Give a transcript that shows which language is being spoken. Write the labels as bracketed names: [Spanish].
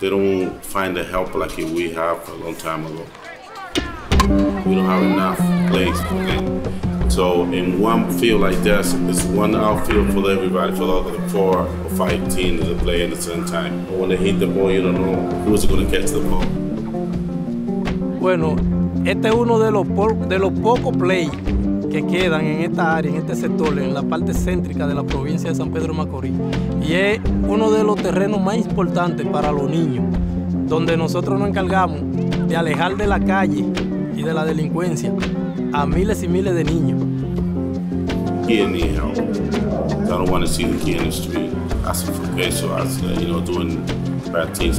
[English] They don't find the help like we have a long time ago. We don't have enough place for them. So in one field like this, it's one outfield for everybody, for the other four or five teams that play at the same time. But when they hit the ball, you don't know who's going to catch the ball. [Spanish] Bueno, este es uno de los pocos plays que quedan en esta área, en este sector, en la parte céntrica de la provincia de San Pedro Macorís. Y es uno de los terrenos más importantes para los niños, donde nosotros nos encargamos de alejar de la calle y de la delincuencia a miles y miles de niños. [English] Kids need help. I don't want to see the kids in the street asking for peso, doing bad things.